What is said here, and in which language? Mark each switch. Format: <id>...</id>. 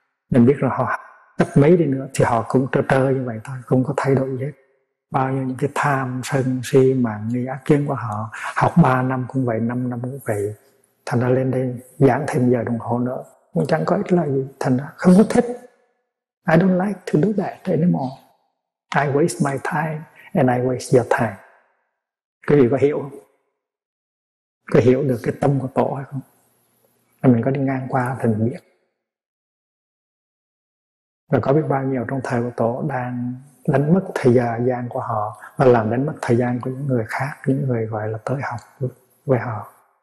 <vi>Mình biết là họ cấp mấy đi nữa thì họ cũng trơ trơ như vậy thôi, không có thay đổi gì hết. Bao nhiêu những cái tham, sân, si, mạng, nghi, ác kiến của họ học 3 năm cũng vậy, 5 năm cũng vậy. Thành ra lên đây giảng thêm giờ đồng hồ nữa cũng chẳng có ích lợi gì. Thành ra không có thích.</vi> <en>I don't like to do that anymore. I waste my time and I waste your time.</en> <vi>Quý vị có hiểu không? Có hiểu được cái tâm của tổ hay không? Mình có đi ngang qua thì mình biết. Và có biết bao nhiêu trong thời của tổ đang đánh mất thời gian của họ và làm đánh mất thời gian của những người khác, những người gọi là tới học với họ.</vi>